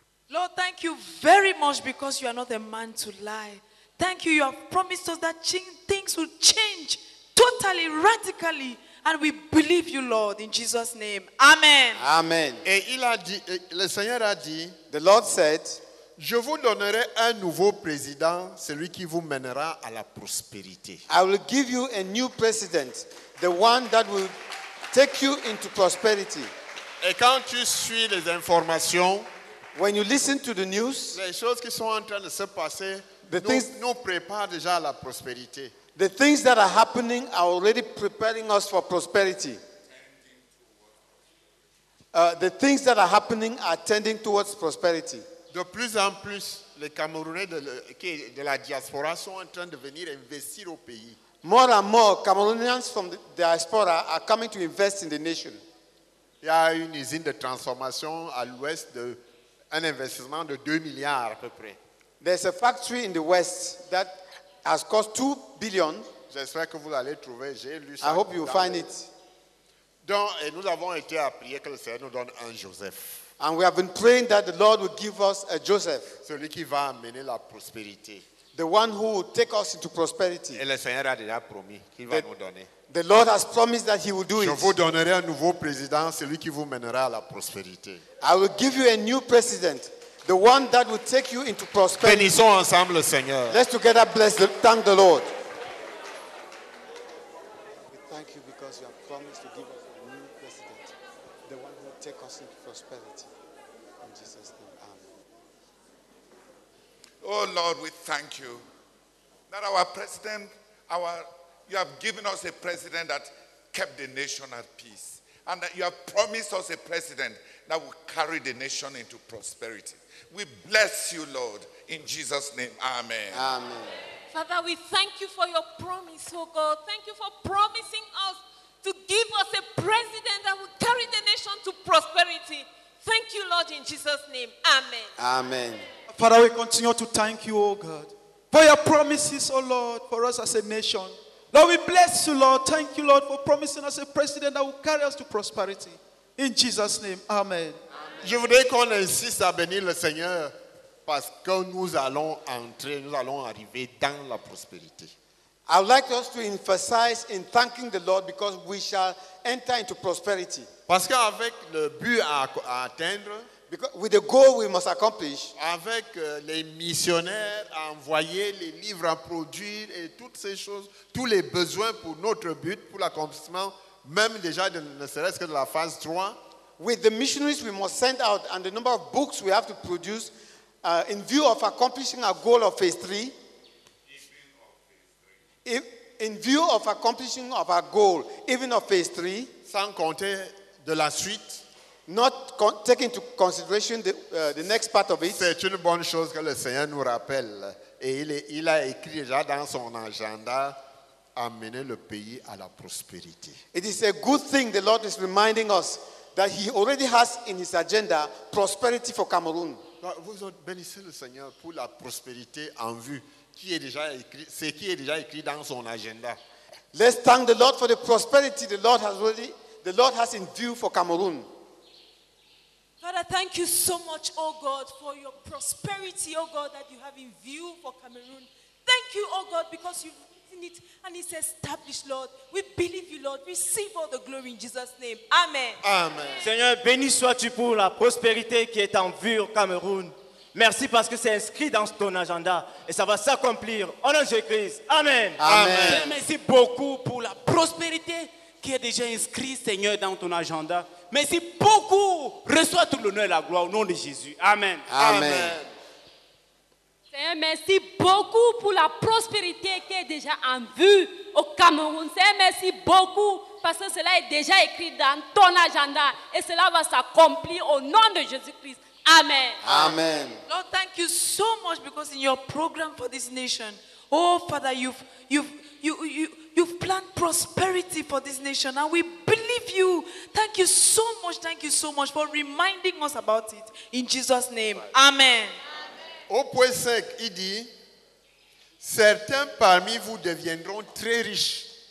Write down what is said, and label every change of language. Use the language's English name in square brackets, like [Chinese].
[English] Lord, thank you very much because you are not a man to lie. Thank you, you have promised us that things will change totally, radically. And we believe you, Lord, in Jesus' name. Amen. Amen. [French] Et il a dit, le Seigneur a dit, [English] the Lord said, [French] je vous donnerai un nouveau président, celui qui vous mènera à la prospérité. [English] I will give you a new president, the one that will take you into prosperity. [French] Et quand tu suis les informations, [English] when you listen to the news, [French] les choses qui sont en train de se passer, nous préparent déjà à la prospérité. [English] The things that are happening are already preparing us for prosperity. The things that are happening are tending towards prosperity. [French] De plus en plus, les Camerounais de la diaspora sont en train de venir investir au pays. [English] More and more Cameroonians from the diaspora are coming to invest in the nation. [French] Il y a une usine de transformation à l'ouest de un investissement de 2 milliards à peu près. [English] There's a factory in the west that has cost 2 billion. [French] J'espère que vous allez trouver. J'ai lu ça. [English] I hope you find it. [French] Donc, et nous avons été à prier que le Seigneur nous donne un Joseph. [English] And we have been praying that the Lord will give us a Joseph. [French] Celui qui va amener la prospérité. [English] The one who will take us into prosperity. [French] Et le Seigneur a déjà promis qu'il va nous donner. [English] The Lord has promised that he will do it. [French] Je vous donnerai un nouveau président, celui qui vous mènera à la prospérité. [English] I will give you a new president, the one that will take you into prosperity. [French] Bénissons ensemble le Seigneur. [English] Let's together bless the, thank the Lord. We thank you because you have promised to give us a new president, the one who will take us into prosperity. In Jesus' name, amen. Oh Lord, we thank you that our president, you have given us a president that kept the nation at peace, and that you have promised us a president that will carry the nation into prosperity. We bless you, Lord, in Jesus' name. Amen. Amen. Father, we thank you for your promise, oh God. Thank you for promising us to give us a president that will carry the nation to prosperity. Thank you, Lord, in Jesus' name. Amen. Amen. Father, we continue to thank you, oh God, for your promises, oh Lord, for us as a nation. Lord, we bless you, Lord. Thank you, Lord, for promising us a president that will carry us to prosperity. In Jesus' name, amen. [French] Je voudrais qu'on insiste à bénir le Seigneur parce que nous allons entrer, nous allons arriver dans la prospérité. [English] I would like us to emphasize in thanking the Lord because we shall enter into prosperity. [French] Parce qu'avec le but à atteindre, [English] because with the goal we must accomplish, [French] avec les missionnaires à envoyer, les livres à produire et toutes ces choses, tous les besoins pour notre but, pour l'accomplissement, même déjà ne serait-ce que de la phase 3, [English] with the missionaries we must send out and the number of books we have to produce in view of accomplishing our goal of phase 3, In view of accomplishing of our goal, even of phase 3, [French] sans compter de la suite, [English] not taking into consideration the next part of it, [French] c'est une bonne chose que le Seigneur nous rappelle. Et il a écrit déjà dans son agenda amener le pays à la prospérité. [English] It is a good thing the Lord is reminding us that he already has in his agenda prosperity for Cameroon. [French] Vous bénissez le Seigneur pour la prospérité en vue, qui est déjà écrit, ce qui est déjà écrit dans son agenda. [English] Let's thank the Lord for the prosperity the Lord has in view for Cameroon. Father, thank you so much, oh God, for your prosperity, oh God, that you have in view for Cameroon. Thank you, oh God, because you've written it and it's established, Lord. We believe you, Lord. Receive all the glory in Jesus' name. Amen. Amen. [French] Seigneur, béni sois-tu pour la prospérité qui est en vue au Cameroun. Merci parce que c'est inscrit dans ton agenda et ça va s'accomplir. Au nom de Jésus-Christ. Amen. Amen. Amen. Merci beaucoup pour la prospérité qui est déjà inscrite, Seigneur, dans ton agenda. Merci beaucoup. Reçois tout l'honneur et la gloire au nom de Jésus. Amen. Amen. Seigneur, merci beaucoup pour la prospérité qui est déjà en vue au Cameroun. Seigneur, merci beaucoup parce que cela est déjà écrit dans ton agenda et cela va s'accomplir au nom de Jésus-Christ. Amen. Amen. [English] Lord, thank you so much because in your program for this nation, oh Father, you've planned prosperity for this nation and we believe you. Thank you so much. Thank you so much for reminding us about it. In Jesus' name. Amen. Amen. [French] Au point 5, il dit, certains parmi vous deviendront très riches.